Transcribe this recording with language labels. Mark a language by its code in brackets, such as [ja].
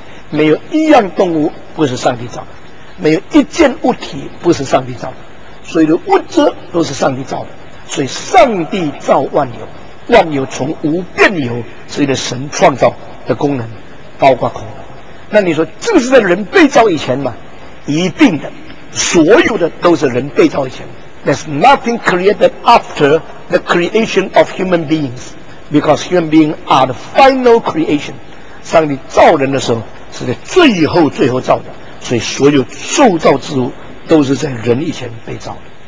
[zh] 没有一样动物不是上帝造的，没有一件物体不是上帝造的，所有的物质都是上帝造的。所以上帝造万有，万有从无变有，是一个神创造的功能，包括恐龙。那你说这是在人被造以前吗？一定的，所有的都是人被造以前。 [en] There's nothing created after the creation of human beings, because human beings are the final creation. [zh] 上帝造人的时候是在最后最后造的，所以所有受造之物都是在人以前被造的。